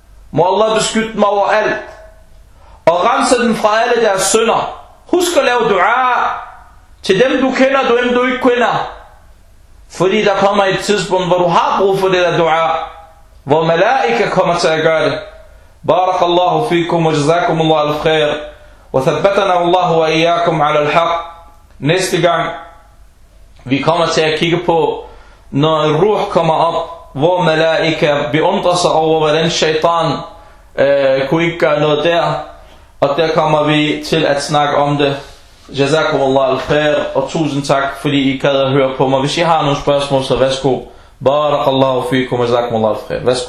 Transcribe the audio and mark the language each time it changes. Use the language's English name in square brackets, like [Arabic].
[Danish] Må Allah beskytte dem over alt, og rense dem fra alle deres synder. Husk at lave dua til dem, du kender, du end du ikke kender. Fordi der kommer et tidspunkt, hvor du har brug for det der dua, hvor malaika kommer til at gøre det. [Arabic] بارك الله فيكم وجزاكم الله الخير وثبتنا الله وإياكم على الحق. [Danish] Næste gang vi kommer til at kigge på, når en ruh kommer op, hvor malaika beundrer sig over, hvordan shaitan kunne ikke gøre noget der, og der kommer vi til at snakke om det. [Arabic] جزاكم الله الخير [Danish] og tusind tak, fordi I kan høre på mig. Hvis I har nogle spørgsmål, så værsgo. [Arabic] بارك الله فيكم وجزاكم الله الخير. [Danish] Værsgo.